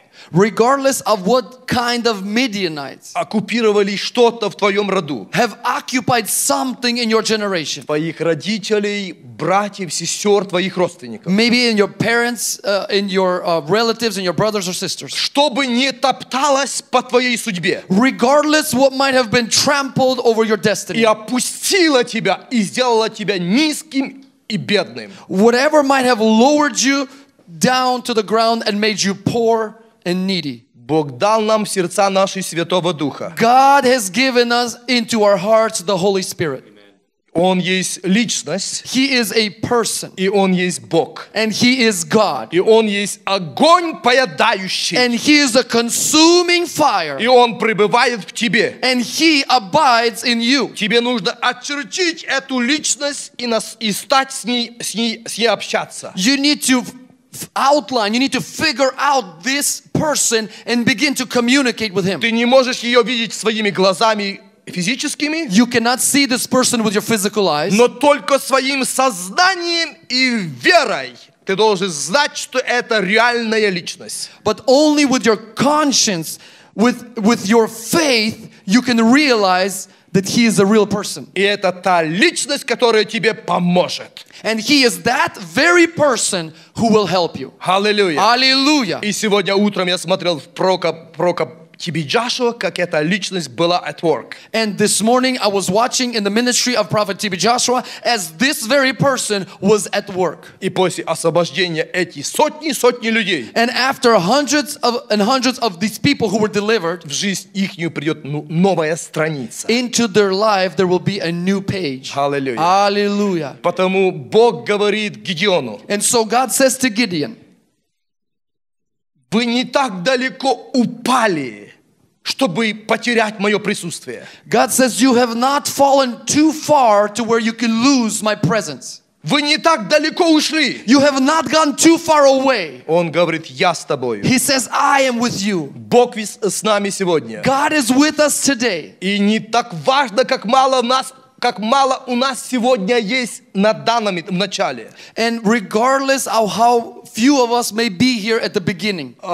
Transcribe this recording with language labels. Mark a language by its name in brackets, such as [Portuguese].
[English] Regardless of what kind of Midianites [Russian] оккупировали что-то в твоем роду, [English] have occupied something in your generation. [Russian] Твоих родителей, братьев, сестер, твоих родственников. [English] Maybe in your parents, in your relatives, in your brothers or sisters. [Russian] Чтобы не топталось по твоей судьбе. [English] Regardless what might have been trampled over your destiny. [Russian] И опустило тебя и сделало тебя низким и бедным. [English] Whatever might have lowered you down to the ground and made you poor and needy. [Russian] Бог дал нам сердца наши Святого Духа. [English] God has given us into our hearts the Holy Spirit. [Russian] Он есть личность. [English] He is a person. [Russian] И он есть Бог. [English] And he is God. [Russian] И он есть огонь поедающий. [English] And he is a consuming fire. [Russian] И он пребывает в тебе. [English] And he abides in you. [Russian] Тебе нужно очерчить эту личность и стать с ней общаться. [English] You need to outline, you need to figure out this person and begin to communicate with him. [Russian] Ты не можешь ее видеть своими глазами. Физическими, [English] you cannot see this person with your physical eyes. [Russian] Но только своим сознанием и верой ты должен знать, что это реальная личность. [English] But only with your conscience, with your faith, you can realize that he is a real person. [Russian] И это та личность, которая тебе поможет. [English] And he is that very person who will help you. Hallelujah. Hallelujah. [Russian] И сегодня утром я смотрел в пророка Тебе Джошуа, как эта личность была [English] at work. And this morning I was watching in the ministry of Prophet Тебе Джошуа as this very person was at work. [Russian] И после освобождения эти сотни людей. [English] And after hundreds of these people who were delivered. [Russian] В жизнь ихнюю придет новая страница. [English] Into their life there will be a new page. Hallelujah. Hallelujah. [Russian] Потому Бог говорит Гедеону. [English] And so God says to Gideon. [Russian] Вы не так далеко упали, чтобы потерять мое присутствие. [English] God says you have not fallen too far to where you can lose my presence. [Russian] Вы не так далеко ушли. [English] You have not gone too far away. [Russian] Он говорит, я с тобою. [English] He says, I am with you. [Russian] Бог с нами сегодня. [English] God is with us today. [Russian] И не так важно, как мало у нас сегодня есть на данном в начале. [English] And regardless of how few of us may be here at the beginning.